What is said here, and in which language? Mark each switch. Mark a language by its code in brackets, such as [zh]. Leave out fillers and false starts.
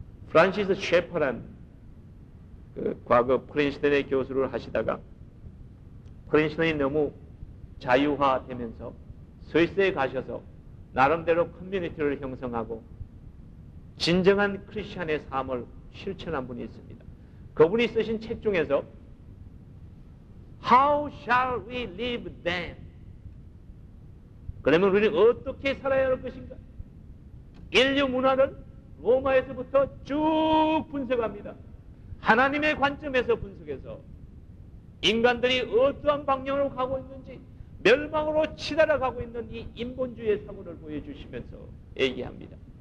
[ko] 프란시스 셰퍼란 그 과거 프린스턴의 교수를 하시다가 프린스턴이 너무 자유화되면서 스위스에 가셔서 나름대로 커뮤니티를 형성하고 진정한 크리스천의 삶을 실천한 분이 있습니다. 그분이 쓰신 책 중에서 [en] How shall we live then? [ko] 그러면 우리는 어떻게 살아야 할 것인가? 인류 문화를 로마에서부터 쭉 분석합니다. 하나님의 관점에서 분석해서 인간들이 어떠한 방향으로 가고 있는지, 멸망으로 치달아가고 있는 이 인본주의의 사고를 보여주시면서 얘기합니다.